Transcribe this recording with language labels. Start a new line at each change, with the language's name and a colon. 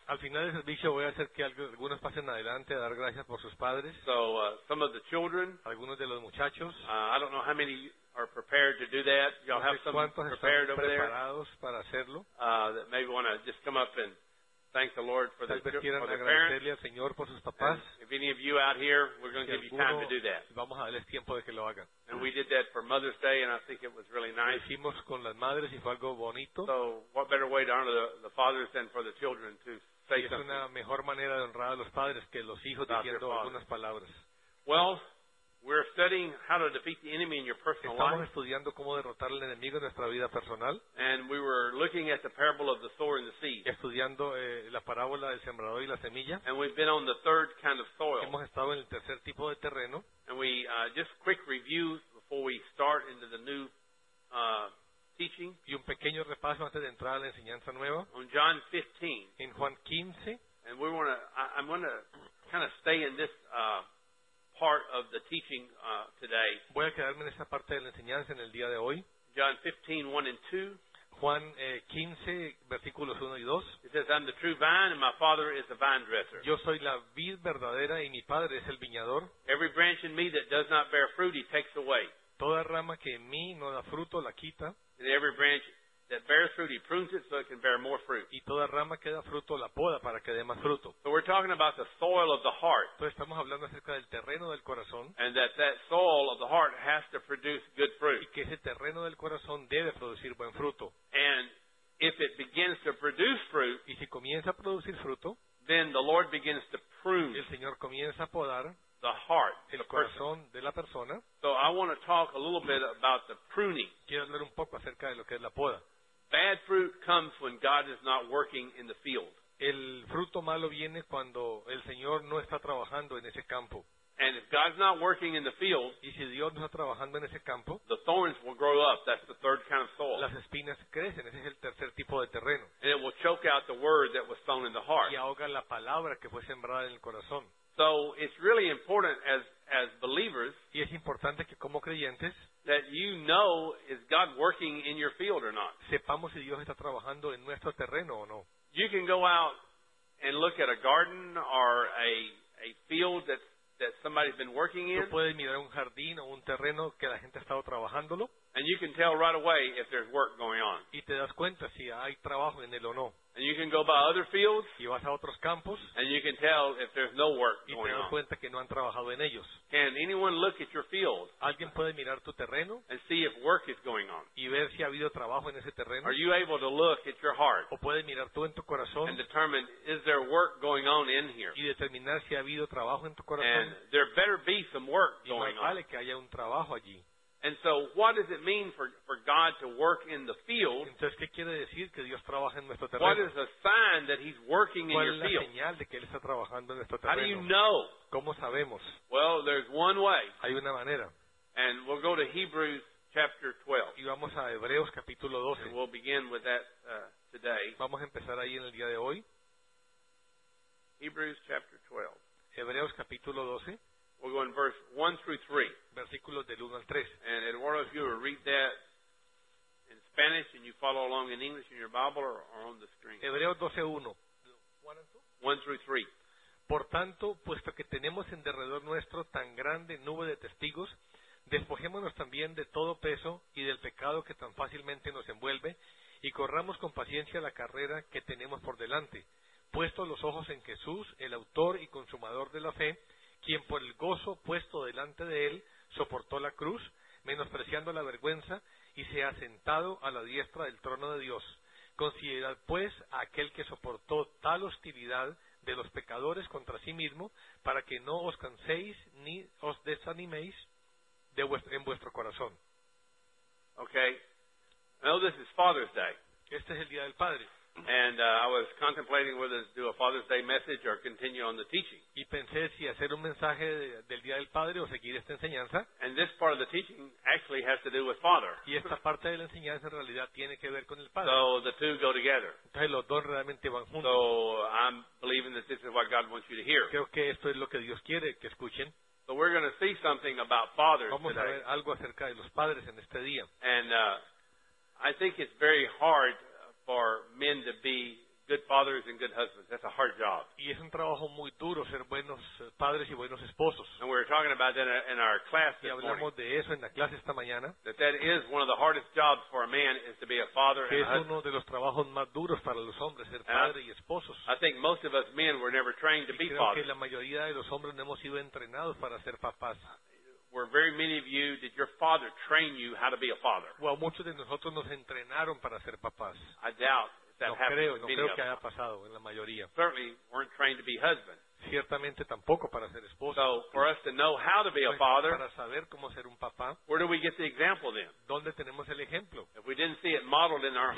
Spanish: Al final del servicio voy a hacer que algunos pasen adelante a dar gracias por sus padres.
English: So some of the children,
Spanish: algunos de los muchachos.
English: I don't know how many are prepared to do that. Y'all have some prepared over there.
Spanish: Preparados para hacerlo.
English: That maybe want to just come up and thank the Lord for the
Spanish: agradecerle al Señor por sus papás.
English: And if any of you out here, we're going to give you time to do that.
Spanish: Vamos a darles tiempo de que lo hagan.
English: And we did that for Mother's Day, and I think it was really nice.
Spanish: Lo hicimos con las madres y fue algo bonito.
English: So what better way to honor the fathers than for the children to say
Spanish: something? Es una mejor manera de honrar a los padres que los hijos diciendo algunas palabras.
English: Well, we're studying how to defeat the enemy in your personal
Spanish: estamos
English: life.
Spanish: Estudiando cómo derrotar al enemigo en nuestra vida personal.
English: And we were looking at the parable of the sower and the seed.
Spanish: Estudiando la parábola del sembrador y la semilla.
English: And we've been on the third kind of soil.
Spanish: Hemos estado en el tercer tipo de terreno.
English: And we just quick review before we start into the new teaching.
Spanish: Y un pequeño repaso antes de entrar a la enseñanza nueva.
English: On John 15.
Spanish: En Juan 15.
English: And we want to. I'm going to kind of stay in this. Part of the teaching today.
Spanish: Voy a quedarme en esa parte de la enseñanza en el día de hoy.
English: John 15:1-2.
Spanish: Juan 15 versículos 1 y 2.
English: It says, "I'm the true vine, and my Father is the vine dresser."
Spanish: Yo soy la vid verdadera y mi padre es el viñador.
English: Every branch in me that does not bear fruit, he takes away.
Spanish: Toda rama que en mí no da fruto la quita.
English: And every branch that bears fruit, he prunes it so it can bear more fruit.
Spanish: Y toda rama que da fruto la poda para que dé más fruto.
English: So we're talking about the soil of the heart.
Spanish: Entonces estamos hablando acerca del terreno del corazón.
English: And that soil of the heart has to produce good fruit.
Spanish: Y que ese terreno del corazón debe producir buen fruto.
English: And if it begins to produce fruit,
Spanish: y si comienza a producir fruto,
English: then the Lord begins to prune.
Spanish: El Señor comienza a podar.
English: The heart,
Spanish: el corazón de la persona.
English: So I want to talk a little bit about the pruning.
Spanish: Quiero hablar un poco acerca de lo que es la poda.
English: Bad fruit comes when God is not working in the field.
Spanish: El fruto malo viene cuando el Señor no está trabajando en ese campo.
English: And if God's not working in the field,
Spanish: y si Dios no está trabajando en ese campo,
English: the thorns will grow up. That's the third kind of soil.
Spanish: Las espinas crecen. Ese es el tercer tipo de terreno.
English: And it will choke out the word that was sown in the heart.
Spanish: Y ahoga la palabra que fue sembrada en el corazón.
English: So it's really important as believers,
Spanish: y es importante que como creyentes,
English: that you know is God working in your field or not.
Spanish: Sepamos si Dios está trabajando en nuestro terreno o no.
English: You can go out and look at a garden or a field that somebody's been working in.
Spanish: Tú puedes mirar un jardín o un terreno que la gente ha estado trabajándolo.
English: And you can tell right away if there's work going on.
Spanish: Y te das cuenta si hay trabajo en él o no.
English: And you can go by other fields.
Spanish: Y vas a otros campos.
English: And you can tell if there's no work going on.
Spanish: Y te das cuenta que no han trabajado en ellos.
English: Can anyone look at your field?
Spanish: ¿Alguien puede mirar tu terreno?
English: And see if work is going on.
Spanish: Y ver si ha habido trabajo en ese terreno.
English: Are you able to look at your heart?
Spanish: ¿O puedes mirar tú en tu corazón?
English: And determine, is there work going on in here?
Spanish: Y determinar si ha habido trabajo en tu corazón.
English: And there better be some work going on.
Spanish: Y más vale que haya un trabajo allí.
English: And so what does it mean for God to work in the field?
Spanish: Entonces, ¿qué quiere decir que Dios trabaja en nuestro terreno?
English: What is the sign that he's working in your field?
Spanish: ¿Cuál es la señal de que él está trabajando en nuestro terreno?
English: How do you know?
Spanish: ¿Cómo sabemos?
English: Well, there's one way.
Spanish: Hay una manera.
English: And we'll go to Hebrews chapter 12.
Spanish: Y vamos a Hebreos capítulo 12.
English: And we'll begin with that today.
Spanish: Vamos a empezar ahí en el día de hoy.
English: Hebrews chapter 12.
Spanish: Hebreos capítulo 12.
English: We'll go in verse 1 through 3.
Spanish: Versículos del 1 al 3.
English: And Eduardo, if you will read that in Spanish and you follow along in English in your Bible or on the screen.
Spanish: Hebreos 12:1. 1 through 3. Por tanto, puesto que tenemos en derredor nuestro tan grande nube de testigos, despojémonos también de todo peso y del pecado que tan fácilmente nos envuelve, y corramos con paciencia la carrera que tenemos por delante, puesto los ojos en Jesús, el autor y consumador de la fe, quien por el gozo puesto delante de él, soportó la cruz, menospreciando la vergüenza, y se ha sentado a la diestra del trono de Dios. Considerad, pues, a aquel que soportó tal hostilidad de los pecadores contra sí mismo, para que no os canséis ni os desaniméis en vuestro corazón.
English: Okay. Now this is Father's Day.
Spanish: Este es el Día del Padre.
English: And I was contemplating whether to do a Father's Day message or continue on the teaching.
Spanish: Y pensé si hacer un mensaje del Día del Padre o seguir esta enseñanza.
English: And this part of the teaching actually has to do with Father.
Spanish: Y esta parte de la enseñanza en realidad tiene que ver con el Padre.
English: So the two go together.
Spanish: Entonces los dos realmente van juntos.
English: So I'm believing that this is what God wants you to hear.
Spanish: Creo que esto es lo que Dios quiere que escuchen.
English: So we're going to see something about fathers today.
Spanish: Vamos a ver algo acerca de los padres en este día.
English: And I think it's very hard for men to be good fathers and good husbands. That's a hard job.
Spanish: Y es un trabajo muy duro ser buenos padres y buenos esposos.
English: And we were talking about that in our class this morning.
Spanish: Y hablamos de eso en la clase esta mañana.
English: That is one of the hardest jobs for a man is to be a father and a husband.
Spanish: Es uno de los trabajos más duros para los hombres ser padre y esposos.
English: I think most of us men were never trained to be fathers.
Spanish: Creo que la mayoría de los hombres no hemos sido entrenados para ser papás.
English: Were very many of you, did your father train you how to be a father?
Spanish: Well, muchos de nosotros nos entrenaron para ser papás.
English: I doubt that
Spanish: no creo,
English: happened.
Spanish: No creo que haya pasado en la mayoría.
English: Certainly weren't trained to be husbands.
Spanish: Ciertamente tampoco para ser esposo.
English: So for us to know how to be a father,
Spanish: para saber cómo ser un papá,
English: where do we get the example then?
Spanish: ¿Dónde tenemos el ejemplo?
English: If we didn't see it modeled in our home,